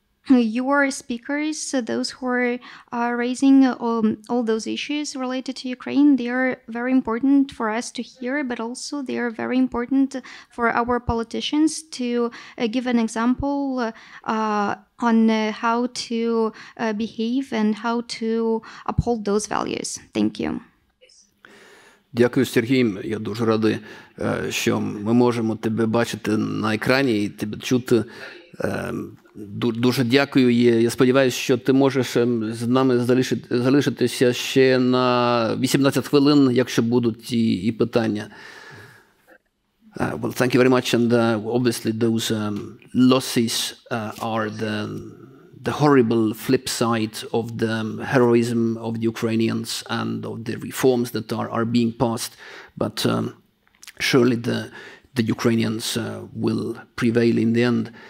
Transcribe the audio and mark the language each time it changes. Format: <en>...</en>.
<en>Your speakers, those who are raising all those issues related to Ukraine, they are very important for us to hear, but also they are very important for our politicians to give an example on how to behave and how to uphold those values. Thank you.</en> <uk>Дякую, Сергій. Я дуже радий, що ми можемо тебе бачити на екрані і тебе чути. Дуже дякую. Я сподіваюся, що ти можеш з нами залишитися ще на 18 хвилин, якщо будуть і питання.</uk> <en>Well, thank you very much. And obviously those losses are the horrible flip side of the heroism of the Ukrainians and of the reforms that are being passed. But surely the Ukrainians will prevail in the end.</en>